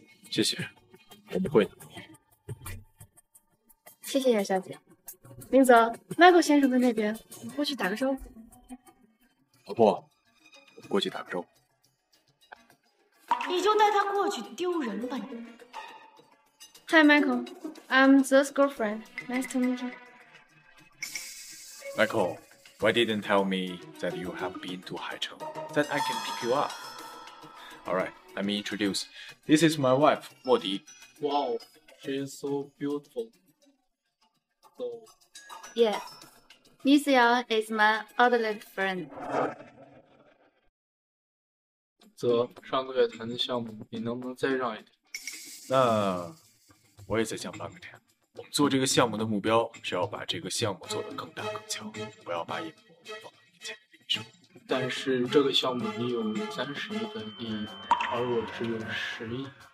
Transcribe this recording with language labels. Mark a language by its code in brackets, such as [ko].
[zh] 谢谢，我们会的。谢谢叶小姐。明泽 ，Michael 先生在那边，我过去打个招呼。老婆，我过去打个招呼。你就带他过去，丢人吧你。 [en] Hi Michael, I'm Zhe's girlfriend. Nice to meet you. Michael. Why didn't tell me that you have been to Haicheng? That I can pick you up. All right, let me introduce. This is my wife, Mo Di. Wow, she is so beautiful. So, yeah, Miss Yang is my adolescent friend. [zh] 泽，上个月谈的项目，你能不能再让一点？那我也在想办个这样。我们做这个项目的目标是要把这个项目做得更大更强，不要把眼光放在眼前的利益上。但是这个项目已有30亿的利益，而我只有10亿。